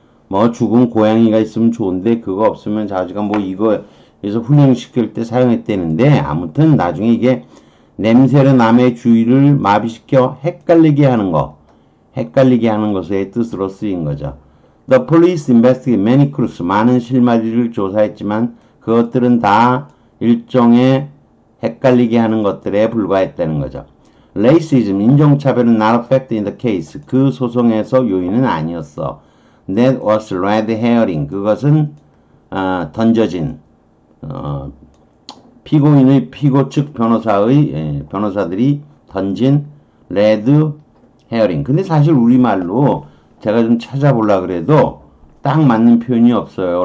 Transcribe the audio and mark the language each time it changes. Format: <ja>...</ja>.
<ko>뭐, 죽은 고양이가 있으면 좋은데, 그거 없으면 자기가 뭐, 이거에서 훈련시킬 때 사용했대는데, 아무튼 나중에 이게 냄새로 남의 주의를 마비시켜 헷갈리게 하는 거. 헷갈리게 하는 것의 뜻으로 쓰인 거죠.</ko> <en>The police investigated many clues.</en> <ko>많은 실마리를 조사했지만, 그 그것들은 다 일종의 헷갈리게 하는 것들에 불과했다는 거죠.</ko> <en>Racism,</en> <ko>인종차별은</ko> <en>not a fact in the case.</en> <ko>그 소송에서 요인은 아니었어.</ko> <en>That was red herring.</en> <ko>그것은 던져진 피고인의 피고 측 변호사의 변호사들이 던진 레드 헤어링. 근데 사실 우리말로 제가 좀 찾아보려 그래도 딱 맞는 표현이 없어요.</ko>